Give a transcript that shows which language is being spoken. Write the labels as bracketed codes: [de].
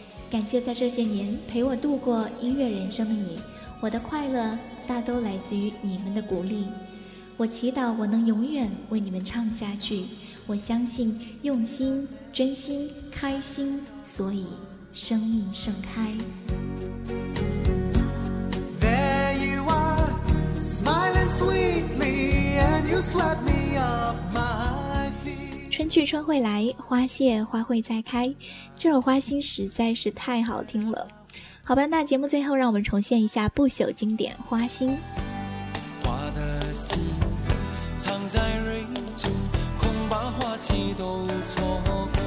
[zh] 感谢在这些年陪我度过音乐人生的你，我的快乐大都来自于你们的鼓励。我祈祷我能永远为你们唱下去，我相信用心、真心、开心，所以生命盛开。 [en] There you are, smiling sweetly, and you swept me off my feet. [zh] 春去春会来，花谢花会再开。这首花心实在是太好听了。好吧，那节目最后让我们重现一下不朽经典花心。花的心藏在蕊中，恐怕花期都错过。